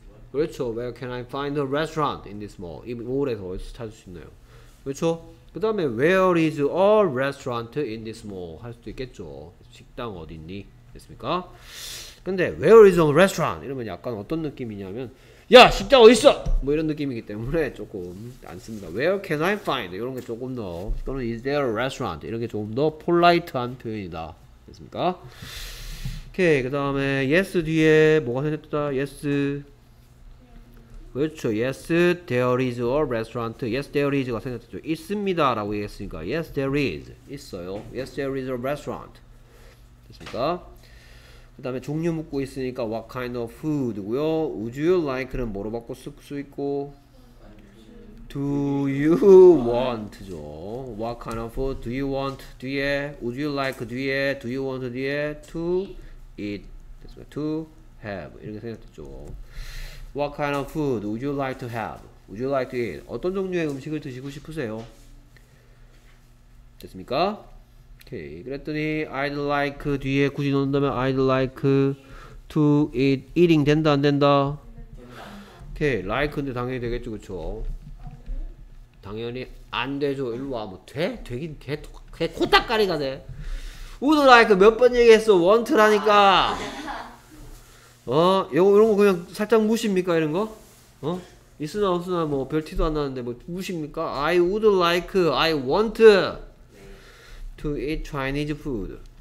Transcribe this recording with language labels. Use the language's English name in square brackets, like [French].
[English] Where can I find a restaurant in this mall? [Korean] 그렇죠. [English] Where can I find a restaurant in this mall? [Korean] 이 몰에서 어디서 찾을 수 있나요? 그렇죠? 그 다음에 [English] Where is a restaurant in this mall? [Korean] 할 수도 있겠죠. 식당 어디 있니? 됐습니까? [English] 근데 Where is a restaurant? [Korean] 이러면 약간 어떤 느낌이냐면 야! 식당 어디 있어! 뭐 이런 느낌이기 때문에 조금 안 씁니다. [English] Where can I find? [Korean] 이런 게 조금 더 또는 [English] Is there a restaurant? [Korean] 이런 게 조금 더 polite한 표현이다. 됐습니까? 오케이, 그 다음에 yes 뒤에 뭐가 생겼다? [English] yes [Korean] 그렇죠. [English] yes there is a restaurant. yes there is [Korean] 가 생겼죠. 있습니다 라고 얘기했으니까 yes there is 있어요. [English] yes there is a restaurant. [Korean] 됐습니까? 그 다음에 종류 묻고 있으니까 [English] what kind of food고요. would you like는 [Korean] 뭐로 바꿔 쓸 수 있고 [English] do you want죠. what kind of food do you want 뒤에 would you like 뒤에 do you want 뒤에 to eat 됐습니까? to have [Korean] 이렇게 생겼죠. [English] What kind of food would you like to have? Would you like to eat? [Korean] 어떤 종류의 음식을 드시고 싶으세요? 됐습니까? 오케이. 그랬더니 I'd like 뒤에 굳이 넣는다면 [English] I'd like to eat. [Korean] Eating 된다 안 된다? 오케이. Like인데 당연히 되겠죠. 그쵸? 당연히 안 되죠. 일로 와. 뭐 돼? 되긴 돼. 돼. 코딱까리 가네. Would like 몇 번 얘기했어? Want라니까. 어? 요런거 그냥 살짝 무시입니까? 이런거? 어? 있으나 없으나 뭐 별 티도 안나는데 뭐 무시입니까? [English] I would like, I want to eat Chinese food.